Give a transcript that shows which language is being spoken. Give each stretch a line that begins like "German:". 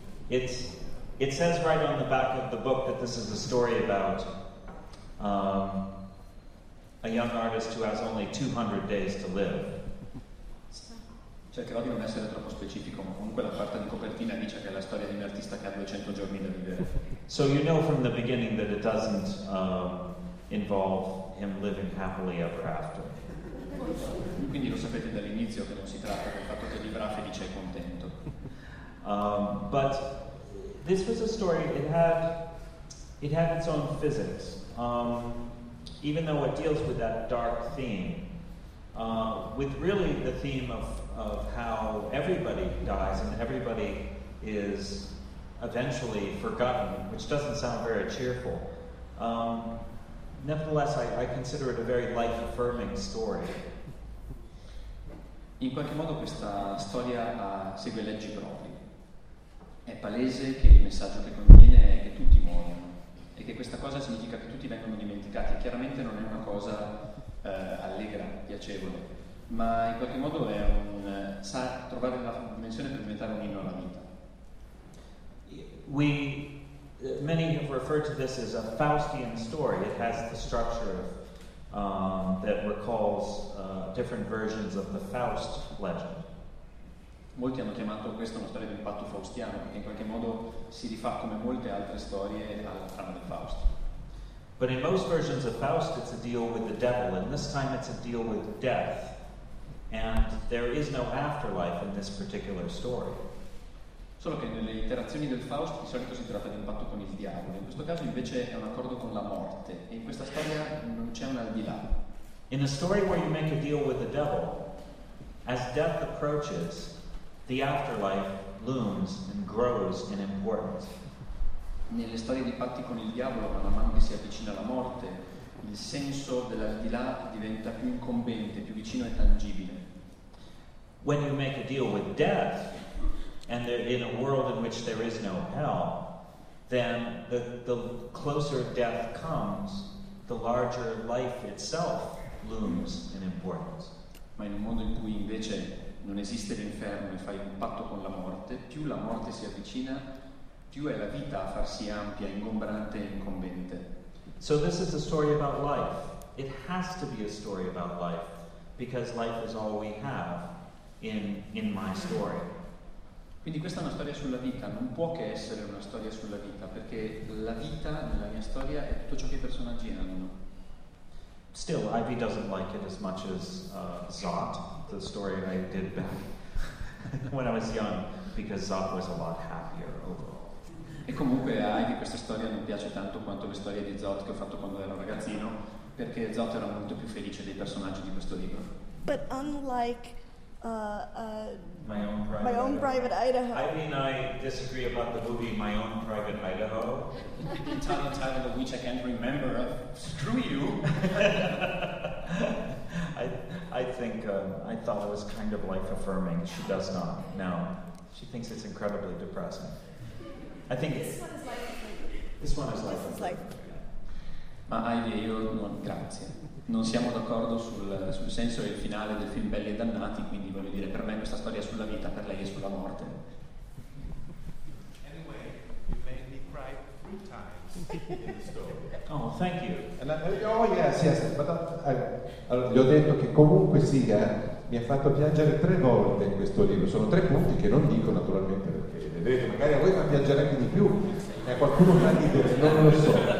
English: It says right on the back of the book that this is a story about a young artist who has only 200 days to live.
Italian: Cercherò di non essere troppo specifico, ma comunque la parte di copertina dice che è la storia di un artista che ha 200 giorni da vivere.
English: So you know from the beginning that it doesn't involve him living happily ever after.
Italian: Quindi lo sapete dall'inizio che non si tratta del fatto che vivrà felice e contento.
English: But this was a story, it had its own physics. Even though it deals with that dark theme, with really the theme of how everybody dies and everybody is eventually forgotten, which doesn't sound very cheerful. Nevertheless, I consider it a very life-affirming story.
Italian: In qualche modo questa storia segue leggi proprie. È palese che il messaggio che contiene è che tutti muoiono e che questa cosa significa che tutti vengono dimenticati. Chiaramente non è una cosa allegra, piacevole, ma in qualche modo è sa trovare una dimensione per diventare un inno alla vita.
English: Many have referred to this as a Faustian story. It has the structure of that recalls different versions of the Faust legend.
Italian: Molti hanno chiamato questa una storia di impatto faustiano, che in qualche modo si rifà come molte altre storie alla trama del Faust.
English: But in most versions of Faust, it's a deal with the devil, and this time it's a deal with death, and there is no afterlife in this particular story.
Italian: Solo che nelle iterazioni del Faust di solito si tratta di un patto con il diavolo, in questo caso invece è un accordo con la morte, e in questa storia non c'è un al di là.
English: In a story where you make a deal with the devil, as death approaches, the afterlife looms and grows in importance.
Italian: Nelle storie di patti con il diavolo, man mano che si avvicina alla morte, il senso dell'aldilà diventa più incombente, più vicino e tangibile.
English: When you make a deal with death, and there, in a world in which there is no hell, then the closer death comes, the larger life itself looms in importance.
Italian: Ma in un mondo in cui invece non esiste l'inferno e fai un patto con la morte, più la morte si avvicina, più è la vita a farsi ampia, ingombrante e incombente.
English: So this is a story about life. It has to be a story about life, because life is all we have in my story.
Italian: Quindi questa è una storia sulla vita, non può che essere una storia sulla vita, perché la vita nella mia storia è tutto ciò che i personaggi erano.
English: Still, Ivy doesn't like it as much as Zot, the story I did back when I was young, because Zot was a lot happier overall.
Italian: E comunque a Ivy questa storia non piace tanto quanto le storie di Zot che ho fatto quando ero ragazzino, perché Zot era molto più felice dei personaggi di questo libro.
English: But unlike My own private Idaho. Ivy and I disagree about the movie My Own Private Idaho. The Italian title of which I can't remember. Screw you. I thought it was kind of life affirming. She does not. No. She thinks it's incredibly depressing. I think this one is life affirming.
Italian: Ma Ivy, io non grazie. Non siamo d'accordo sul senso e il finale del film Belli e Dannati, quindi voglio dire, per me questa storia è sulla vita, per lei è sulla morte.
English: Anyway, you made me cry three times in the story. Oh, thank you.
Italian: Allora, gli ho detto che comunque sia, mi ha fatto piangere tre volte in questo libro. Sono tre punti che non dico naturalmente perché vedete, magari a voi fa piangere anche di più, e a qualcuno fa ridere, non lo so.